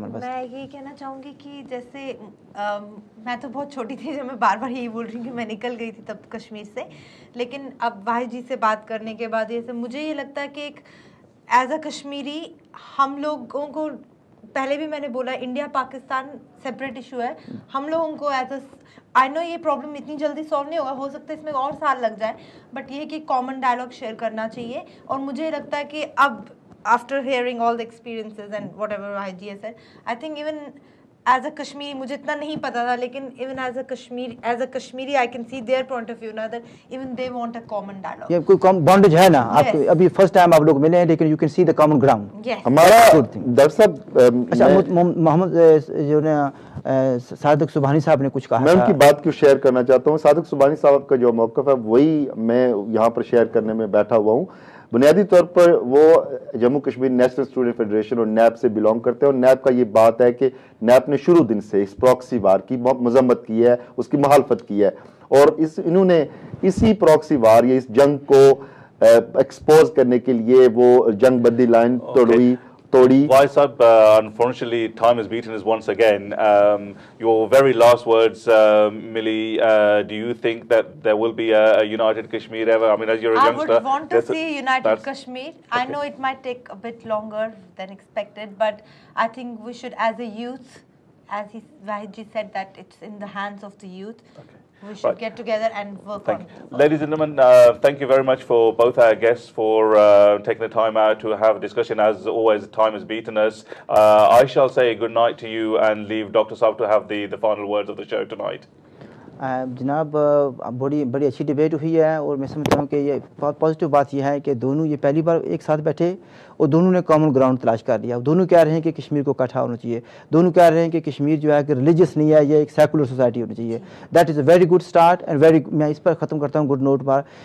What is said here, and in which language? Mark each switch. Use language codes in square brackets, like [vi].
[hi] मैं ये कहना चाहूँगी कि जैसे मैं तो बहुत छोटी थी, जब मैं बार बार यही बोल रही हूँ कि मैं निकल गई थी तब कश्मीर से, लेकिन अब भाई जी से बात करने के बाद जैसे मुझे ये लगता है कि एक एज अ कश्मीरी हम लोगों को, पहले भी मैंने बोला इंडिया पाकिस्तान सेपरेट इशू है, हम लोगों को एज अ आई नो ये प्रॉब्लम इतनी जल्दी सॉल्व नहीं होगा, हो सकता है इसमें और साल लग जाए, बट ये कि कॉमन डायलॉग शेयर करना चाहिए, और मुझे लगता है कि अब [en] after hearing all the experiences and whatever IGA said, I think even as a Kashmiri, [hi] मुझे इतना नहीं पता था, लेकिन [en] even as a Kashmiri, I can see their point of view now that even they want a common dialogue. [hi] ये कोई common bondage है ना? आप अभी first time आप लोग मिले हैं, लेकिन [en] you can see the common ground. Yes. [hi] हमारा good thing. दरअसल अच्छा मोहम्मद जो ने सादिक सुभानी साहब ने कुछ कहा मैं उनकी बात क्यों शेयर करना चाहता हूँ सादिक सुभानी साहब का जो मौकफ है वही मैं यहाँ पर शेयर करने में बैठा हुआ हूँ बुनियादी तौर पर वो Jammu Kashmir national student federation और नैप से बिलोंग करते हैं और नैप का ये बात है कि नैप ने शुरू दिन से इस प्रॉक्सी वार की मजम्मत की है उसकी मुखालफत की है और इन्होंने इसी प्रॉक्सी वार या इस जंग को एक्सपोज करने के लिए वो जंग बंदी लाइन तोड़ी [en] Why, sir? Unfortunately, time has beaten us once again. Your very last words, Millie. Do you think that there will be a united Kashmir ever? I mean, as you're a youngster, I would want to see a united Kashmir. Okay. I know it might take a bit longer than expected, but I think we should, as a youth, as Vahidji said, that it's in the hands of the youth. Okay. We should get together and work thank on you. Ladies and gentlemen, thank you very much for both our guests for taking the time out to have a discussion. As always, time has beaten us. I shall say good night to you and leave Dr. Saab to have the final words of the show tonight. [hi] जनाब बड़ी बड़ी अच्छी debate हुई है और मैं समझता हूँ कि ये पॉजिटिव बात यह है कि दोनों ये पहली बार एक साथ बैठे और दोनों ने कॉमन ग्राउंड तलाश कर लिया दोनों कह रहे हैं कि कश्मीर को इकट्ठा होना चाहिए दोनों कह रहे हैं कि कश्मीर जो है कि रिलीजियस नहीं है ये एक सेकुलर सोसाइटी होनी चाहिए [en] that is a very good start and very [hi] मैं इस पर ख़त्म करता हूँ गुड नोट पर